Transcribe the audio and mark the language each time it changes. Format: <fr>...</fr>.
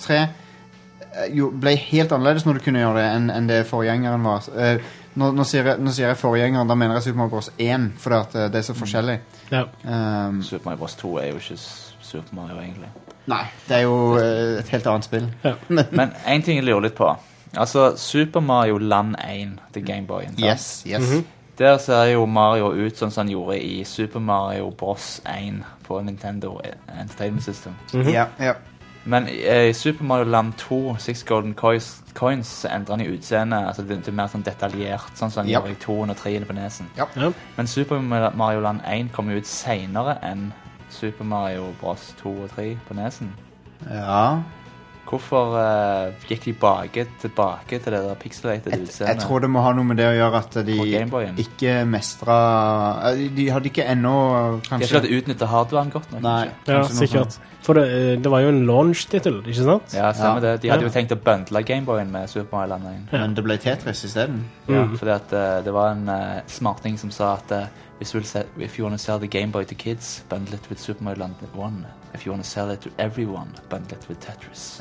<no>3 ble helt annerledes når du kunne gjøre det enn det forgjengeren var. Nå sier jeg forgjengeren, da mener jeg Super Mario Bros. 1, fordi at det er så forskjellig. Ja. Super Mario Bros. 2 er jo ikke Super Mario egentlig. Nei, det er jo et helt annet spill. Ja. Men en ting jeg lurer litt på. Altså, Super Mario Land 1, The Game Boy. Yes, yes. Mm-hmm. Der ser jo Mario ut sånn som han gjorde i Super Mario Bros. 1 på Nintendo Entertainment System. Mm-hmm. Ja, ja. Men i Super Mario Land 2, Six Golden Coins, så endrer han i utseende. Altså, det er mer sånn detaljert, sånn som han gjorde i 2 og 3 på nesen. Ja. Men Super Mario Land 1 kom jo ut senere enn Super Mario Bros. 2 og 3 på nesen. Ja. Hvorfor gikk de tilbake til det der pixelated utseendet? Jeg tror det må ha noe med det å gjøre at de ikke mestret... De hadde ikke enda... Kanskje... De har ikke hatt utnyttet hardwareen godt nok. Nei, ja, sikkert. Sånn. For det var jo en launch-titel, ikke sant? Ja, samme det. De hadde jo tenkt å bundle Gameboyen med Super Mario Land 1. Men det ble Tetris i stedet. Ja, fordi at det var en smarting som sa at...</no> <en>If you want to sell the Game Boy to kids, bundle it with Super Mario Land 1. If you want to sell it to everyone, bundle it with Tetris.</en>